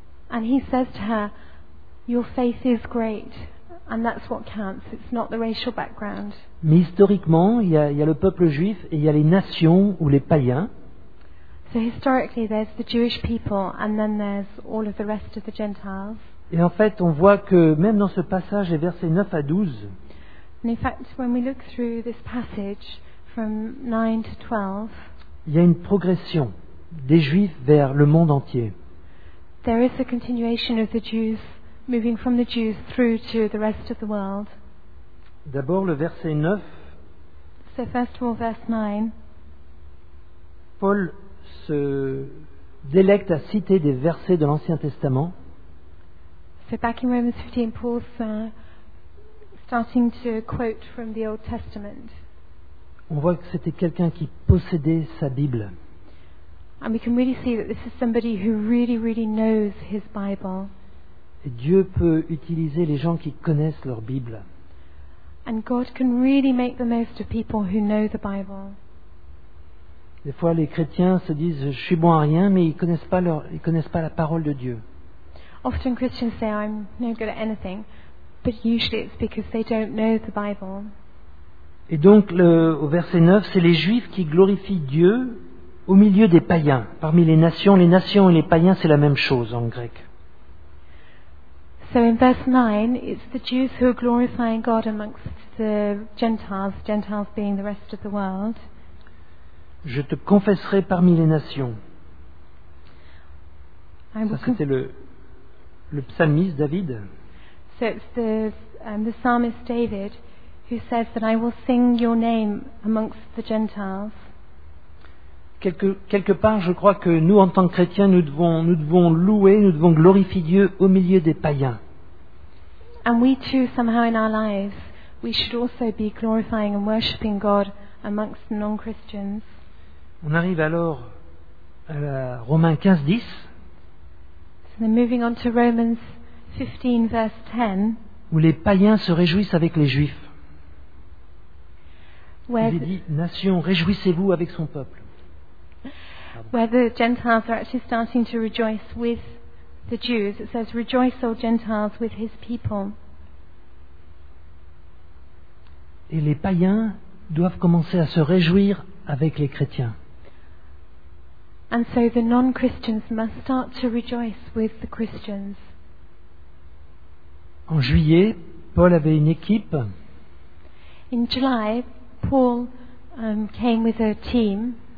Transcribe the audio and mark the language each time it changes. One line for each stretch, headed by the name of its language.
English: And he says to her, your faith is great, and that's what counts. It's not the racial background.
French: Mais historiquement, il y a le peuple juif et il y a les nations ou les païens.
English: So historically, there's the Jewish people, and then there's all of the rest of the Gentiles.
French: Et en fait, on voit que même dans ce passage, les versets 9 à 12,
English: and in fact, when we look through this passage from 9 to 12,
French: il y a une progression des Juifs vers le monde entier.
English: There is a continuation of the Jews moving from the Jews through to the rest of the world.
French: D'abord, le verset 9.
English: So first of all, verse 9.
French: Paul se délecte à citer des versets de l'Ancien Testament.
English: So back in Romans 15, Paul's starting to quote from the Old Testament.
French: On voit que c'était quelqu'un qui possédait sa Bible.
English: And we can really see that this is somebody who really, really knows his Bible.
French: Et Dieu peut utiliser les gens qui connaissent leur Bible.
English: And God can really make the most of people who know the Bible.
French: Des fois, les chrétiens se disent, je suis bon à rien, mais ils connaissent pas la parole de Dieu.
English: Often Christians say, I'm no good at anything, but usually it's because they don't know the Bible.
French: Et donc, au verset 9, c'est les Juifs qui glorifient Dieu au milieu des païens, parmi les nations. Les nations et les païens, c'est la même chose en grec.
English: So in verse 9, it's the Jews who are glorifying God amongst the Gentiles, Gentiles being the rest of the world.
French: Je te confesserai parmi les nations. Ça, c'était le psalmiste David.
English: So it's the psalmist David who says that I will sing your name amongst the Gentiles.
French: Quelque part, je crois que nous, en tant que chrétiens, nous devons louer, nous devons glorifier Dieu au milieu des païens.
English: And we too, somehow in our lives, we should also be glorifying and worshiping God amongst non-Christians.
French: On arrive alors à Romains 15, 10.
English: So then moving on to Romans 15, verse 10.
French: Où les païens se réjouissent avec les juifs. Il est dit, nation, réjouissez-vous avec son peuple. Pardon.
English: Where the Gentiles are actually starting to rejoice with the Jews. It says, rejoice, all Gentiles, with his people.
French: Et les païens doivent commencer à se réjouir avec les chrétiens.
English: And so the non-Christians must start to rejoice with the Christians.
French: En juillet, Paul avait une équipe.
English: In July, Paul came with a team.